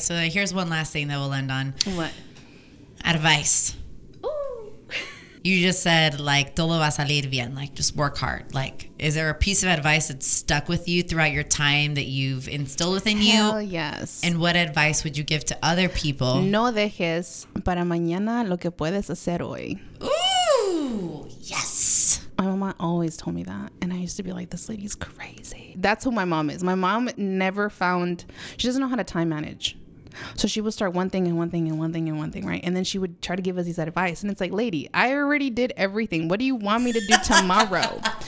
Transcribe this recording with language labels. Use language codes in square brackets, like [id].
[en] So here's one last thing that we'll end on. What? Advice. Ooh. You just said, like, [es] todo va a salir bien. [en] Like, just work hard. Like, is there a piece of advice that's stuck with you throughout your time that you've instilled within you? Hell yes. And what advice would you give to other people? [es] No dejes para mañana lo que puedes hacer hoy. [en] Ooh. Yes. My mama always told me that. And I used to be like, this lady's crazy. That's who my mom is. My mom never found, she doesn't know how to time manage. So she would start one thing and one thing and one thing and one thing, right? And then she would try to give us these advice. And it's like, lady, I already did everything. What do you want me to do tomorrow?